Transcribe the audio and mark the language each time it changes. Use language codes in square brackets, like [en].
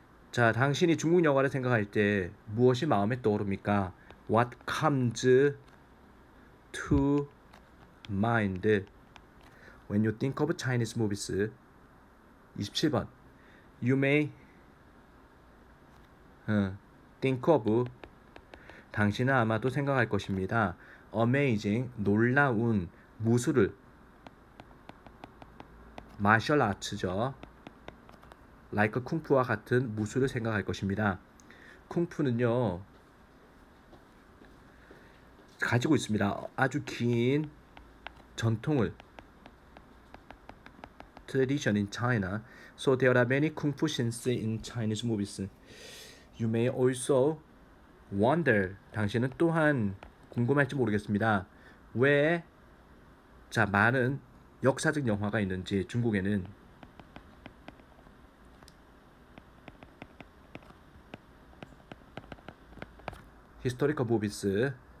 [ko] 자, 당신이 중국 영화를 생각할 때 무엇이 마음에 떠오릅니까? [en] What comes to mind when you think of Chinese movies? [ko] 27번. [en] You may think of [ko] 당신은 아마도 생각할 것입니다. Amazing, 놀라운 무술을 martial arts죠. Like 쿵푸와 같은 무술을 생각할 것입니다. 쿵푸는요, 가지고 있습니다. 아주 긴 전통을 [en] tradition in China. So there are many kung fu scenes in Chinese movies. You may also wonder. [ko] 당신은 또한 궁금할지 모르겠습니다. 왜자 많은 역사적 영화가 있는지 중국에는 [en] historical movies.